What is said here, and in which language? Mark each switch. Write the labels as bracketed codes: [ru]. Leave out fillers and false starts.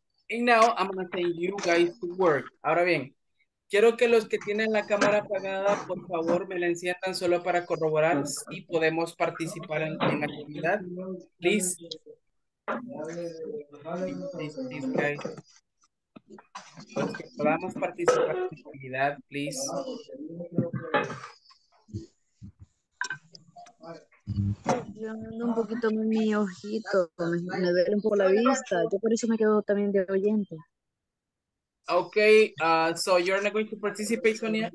[en] And now I'm going to send you guys to work. [es] Ahora bien, quiero que los que tienen la cámara apagada, por favor, me la enciendan solo para corroborar si podemos participar en la actividad. [en] Please. Please, please, please, guys. [es] Podemos participar, please. Yo ando un poquito en mi ojito, me duele un poco la vista. Yo por eso me quedo también de oyente. [en] Okay, so you're not going to participate, Sonia.